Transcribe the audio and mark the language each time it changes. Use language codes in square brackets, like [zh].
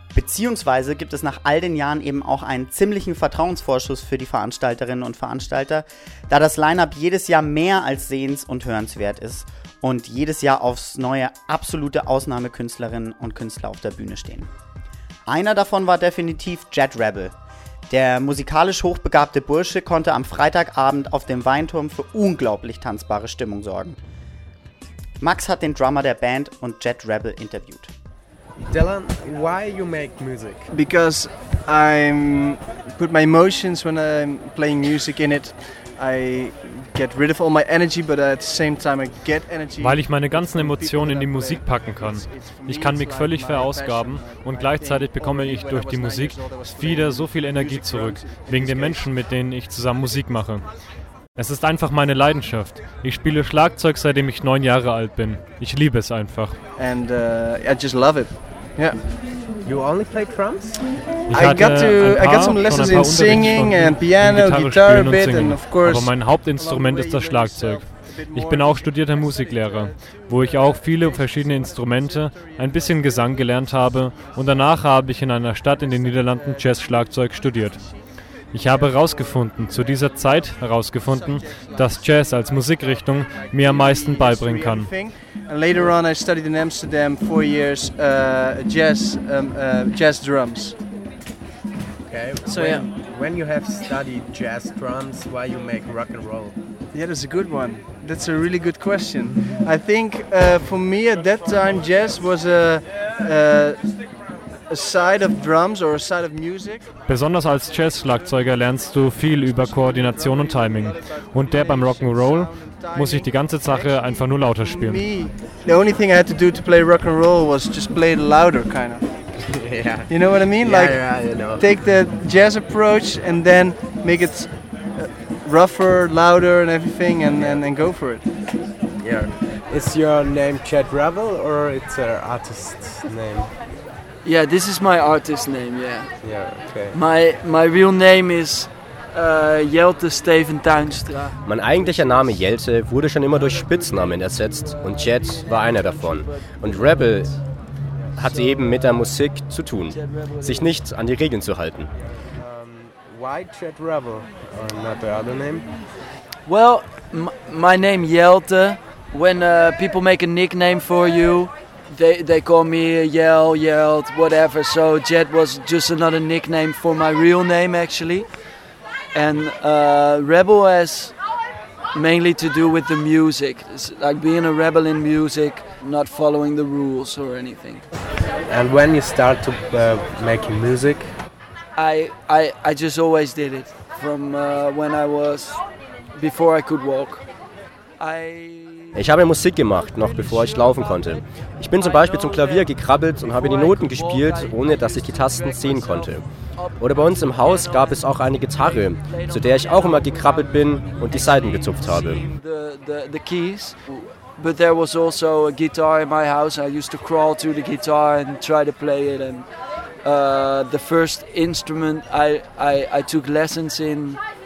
[de] Beziehungsweise gibt es nach all den Jahren eben auch einen ziemlichen Vertrauensvorschuss für die Veranstalterinnen und Veranstalter, da das Line-Up jedes Jahr mehr als sehens- und hörenswert ist und jedes Jahr aufs Neue absolute Ausnahmekünstlerinnen und Künstler auf der Bühne stehen. Einer davon war definitiv Jet Rebel. Der musikalisch hochbegabte Bursche konnte am Freitagabend auf dem Weinturm für unglaublich tanzbare Stimmung sorgen. Max hat den Drummer der Band und Jet Rebel interviewt. [en] Dylan, why you make music? Because I put my emotions when I'm playing music in it. I get rid of all my energy, but at the same time I get energy. [de] Weil ich meine ganzen Emotionen in die Musik packen kann. Ich kann mich völlig verausgaben und gleichzeitig bekomme ich durch die Musik wieder so viel Energie zurück, wegen den Menschen, mit denen ich zusammen Musik mache. Es ist einfach meine Leidenschaft. Ich spiele Schlagzeug, seitdem ich 9 Jahre alt bin. Ich liebe es einfach. [en] And I just love it. Yeah. You only play drums? I got some lessons in singing and piano, guitar a bit and of course. [de] Aber mein Hauptinstrument ist das Schlagzeug. Ich bin auch studierter Musiklehrer, wo ich auch viele verschiedene Instrumente, ein bisschen Gesang gelernt habe und danach habe ich in einer Stadt in den Niederlanden Jazz-Schlagzeug studiert. Ich habe herausgefunden, dass Jazz als Musikrichtung mir am meisten beibringen kann. [en] Later on I studied in Amsterdam 4 years jazz drums. Okay. So when you have studied jazz drums, why you make rock and roll? Yeah, that's a good one. That's a really good question. I think for me at that time jazz was a side of drums or a side of music. [de] Besonders als Jazz-Schlagzeuger lernst du viel über Koordination und Timing. Und der beim Rock'n'Roll muss ich die ganze Sache einfach nur lauter spielen. [en] The only thing I had to do to play Rock'n'Roll was just play it louder, kind of. Yeah. You know what I mean? Yeah, like, yeah, you know. Take the jazz approach and then make it rougher, louder and everything and go for it. Yeah. Is your name Jet Rebel or it's an artist name? Yeah, this is my artist name, yeah. Yeah, okay. My real name is Jelte Steven Tuinstra. [de] Mein eigentlicher Name Jelte wurde schon immer durch Spitznamen ersetzt und Jet war einer davon. Und Rebel hatte eben mit der Musik zu tun, sich nicht an die Regeln zu halten. [en] Why Jet Rebel, not the other name? Well, my name Jelte, when people make a nickname for you, They call me Yelled, whatever. So Jet was just another nickname for my real name, actually. And Rebel has mainly to do with the music. It's like being a rebel in music, not following the rules or anything. And when you start to making music? I just always did it from when I was, before I could walk. [de] Ich habe Musik gemacht, noch bevor ich laufen konnte. Ich bin zum Beispiel zum Klavier gekrabbelt und habe die Noten gespielt, ohne dass ich die Tasten sehen konnte. Oder bei uns im Haus gab es auch eine Gitarre, zu der ich auch immer gekrabbelt bin und die Saiten gezupft habe. [en] The keys, but there was also a guitar in my house. I used to crawl to the guitar and try to play it. And the first instrument I took lessons in